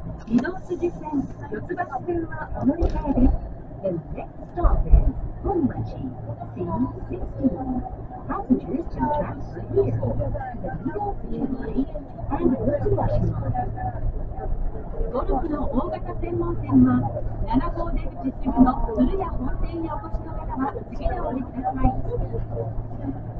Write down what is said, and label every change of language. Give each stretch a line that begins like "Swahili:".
Japanese: 御堂筋線、四ツ橋線はお乗り換えです。
English: The next stop is 本町 C16. Passengers can transfer here to the 御堂筋 line and 四ツ橋 line。
Japanese: ゴルフの大型専門店は7号出口すぐの鶴屋本店にお越しの方は次でお降りください。